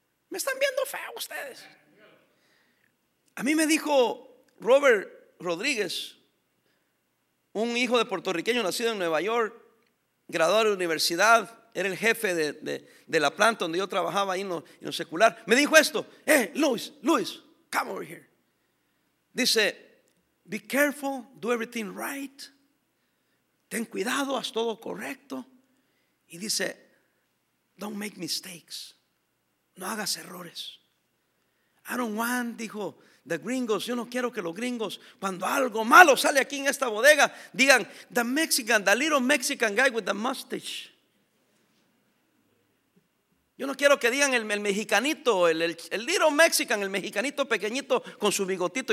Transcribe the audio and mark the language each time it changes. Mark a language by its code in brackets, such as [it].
[es] Me están viendo feo ustedes. A mí me dijo Robert Rodríguez, un hijo de puertorriqueño nacido en Nueva York, graduado de la universidad, era el jefe de la planta donde yo trabajaba ahí en lo secular. Me dijo esto: [en] hey, Luis, come over here. Dice: be careful, do everything right. [es] Ten cuidado, haz todo correcto. Y dice: [en] don't make mistakes. [es] No hagas errores. [en] I don't want, [es] dijo, the gringos. Yo no quiero que los gringos, cuando algo malo sale aquí en esta bodega, digan: [en] the Mexican, the little Mexican guy with the mustache. [es] Yo no quiero que digan el mexicanito, el [en] little Mexican, [es] el mexicanito pequeñito con su bigotito.